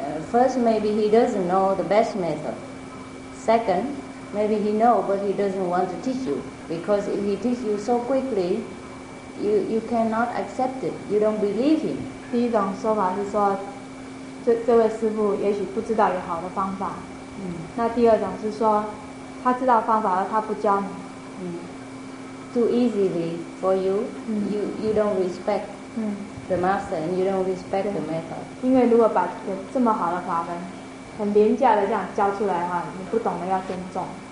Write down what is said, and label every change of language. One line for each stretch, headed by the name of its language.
English: First, maybe he doesn't know the best method. Second, maybe he knows but he doesn't want to teach you. Because if he teaches you so quickly, you cannot accept it. You don't believe him.
Chinese: 第一种说法是说，这位师父也许不知道有好的方法。那第二种是说，他知道方法而他不教你。
English: Too easily for you. You don't respect. The master, and you don't respect the method.
Chinese: 因为如果把这么好的法门，很廉价的这样教出来的话，你不懂得要尊重。